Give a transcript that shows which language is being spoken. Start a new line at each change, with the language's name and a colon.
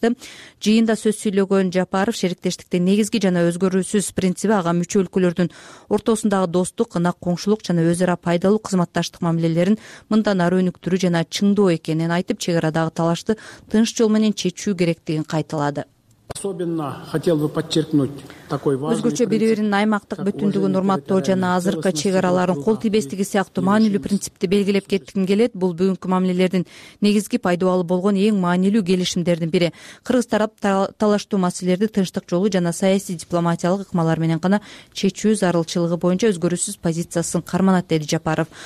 Kyrgyz: Жыйында сөз сүйлөгөн Жапаров шериктештиктин негизги жана өзгөрүүсүз принциби ага мүчө өлкөлөрдүн ортосундагы достук, ынак коңшулук жана өз ара пайдалуу кызматташтык мамилелерин мындан ары өнүктүрүү жана чыңдоо экенин айтып, чек арадагы талашты тынч жол менен чечүү керектигин кайталады.
Russian: Особенно хотел бы подчеркнуть такой важный.
Kyrgyz: Өзгөчө бири биринин аймактык бүтүндүгүн урматтоо жана азыркы чек аралардын кол тийбестиги сыяктуу маанилүү принципти белгилеп кетким келет. Бул бүгүнкү мамилелердин негизги пайдубалы болгон эң маанилүү келишимдердин бири. Кыргыз тарап талаштуу маселелерди тынчтык жолу жана саясий дипломатиялык ыкмалар менен гана чечүү зарылчылыгы боюнча өзгөрүүсүз позициясын карманат, деди Жапаров.